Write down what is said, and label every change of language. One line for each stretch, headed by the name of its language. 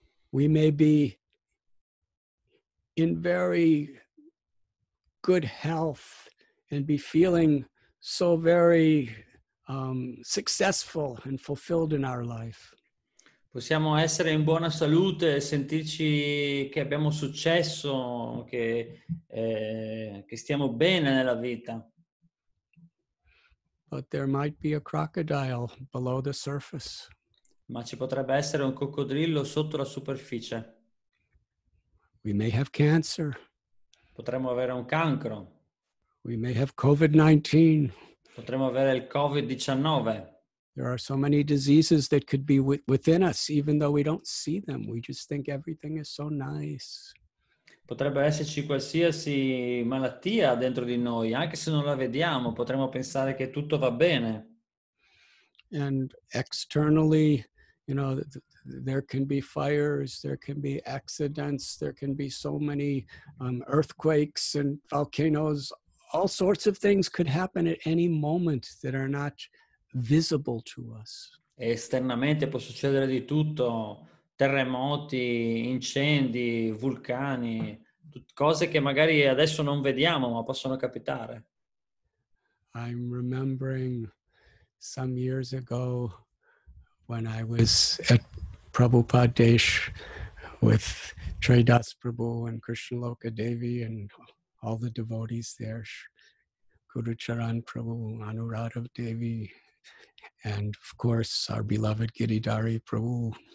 English: We may be in very good health and be feeling so very successful and fulfilled in our life.
Italian: Possiamo essere in buona salute e sentirci che abbiamo successo, che stiamo bene nella vita.
English: But there might be a crocodile below the surface.
Italian: Ma ci potrebbe essere un coccodrillo sotto la superficie.
English: We may have cancer.
Italian: Potremmo avere un cancro.
English: We may have COVID-19.
Italian: Potremmo avere il COVID-19.
English: There are so many diseases that could be within us, even though we don't see them. We just think everything is so nice.
Italian: Potrebbe esserci qualsiasi malattia dentro di noi, anche se non la vediamo, potremmo pensare che tutto va bene.
English: And externally, you know, there can be fires, there can be accidents, there can be so many earthquakes and volcanoes. All sorts of things could happen at any moment that are not visible to us.
Italian: Esternamente può succedere di tutto: terremoti, incendi, vulcani, cose che magari adesso non vediamo, ma possono capitare.
English: I'm remembering some years ago when I was at Prabhupada Desh with Tridas Prabhu and Krishnaloka Devi and all the devotees there, Guru Charan Prabhu, Anuradha Devi, and of course our beloved Giridhari Prabhu.